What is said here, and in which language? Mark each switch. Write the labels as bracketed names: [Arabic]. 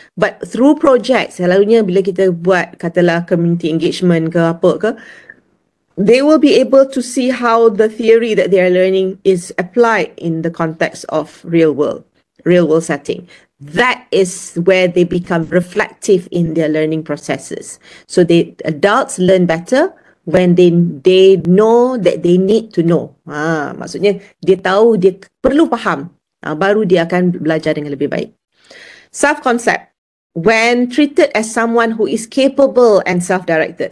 [English] But through projects, [Malay] selalunya bila kita buat katalah [English] community engagement [Malay] ke apa ke, [English] they will be able to see how the theory that they are learning is applied in the context of real world setting. That is where they become reflective in their learning processes. So the adults learn better when they know that they need to know. [Malay] Maksudnya dia tahu dia perlu faham, baru dia akan belajar dengan lebih baik. [English] Self-concept. When treated as someone who is capable and self-directed.